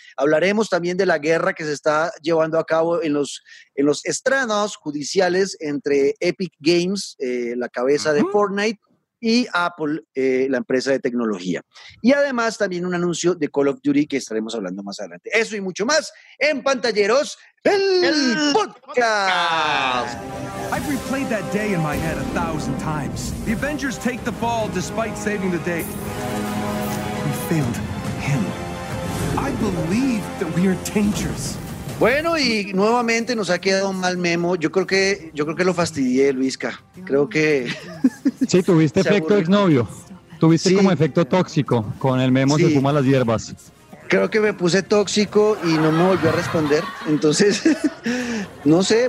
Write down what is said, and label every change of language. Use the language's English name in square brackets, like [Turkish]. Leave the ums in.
[Spanish] Hablaremos también de la guerra que se está llevando a cabo en los en los estrenos judiciales entre Epic Games, eh, la cabeza de uh -huh. Fortnite, y Apple, eh, la empresa de tecnología. Y además también un anuncio de Call of Duty que estaremos hablando más adelante. Eso y mucho más en pantalleros, el, el podcast. podcast. [English] I've replayed that day in my head a thousand times. The Avengers take the fall despite saving the day. día. failed him. I believe that we are dangerous. [Spanish] Bueno, y nuevamente nos ha quedado mal Memo. Yo creo que, yo creo que lo fastidié, Luisca. Creo que. Sí, tuviste efecto aburrido. exnovio. Tuviste sí. como efecto tóxico. Con el Memo de sí. se fuma las hierbas. Creo que me puse tóxico y no me volvió a responder. Entonces, no sé.